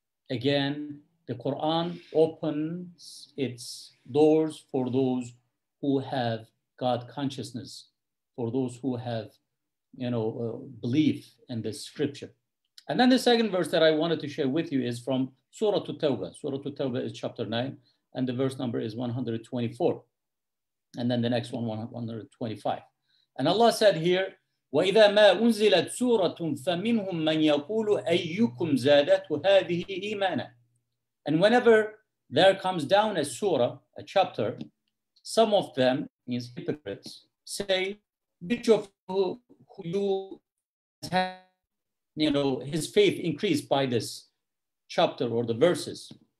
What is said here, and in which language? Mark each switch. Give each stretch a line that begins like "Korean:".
English: Again, the Quran opens its doors for those who have God consciousness, for those who have, you know, belief in the scripture. And then the second verse that I wanted to share with you is from Surah At-Tawbah. Surah At-Tawbah is chapter 9, and the verse number is 124. And then the next one, 125. And Allah said here,
Arabic: وَإِذَا مَا أُنزِلَتْ سُورَةٌ فَمِنْهُمْ مَنْ يَقُولُ أَيُّكُمْ زَادَتْهُ هَذِهِ إِيمَانًا.
English: And whenever there comes down a surah, a chapter, some of them, means hypocrites, say, which of you has had, you know, his faith increased by this chapter or the verses.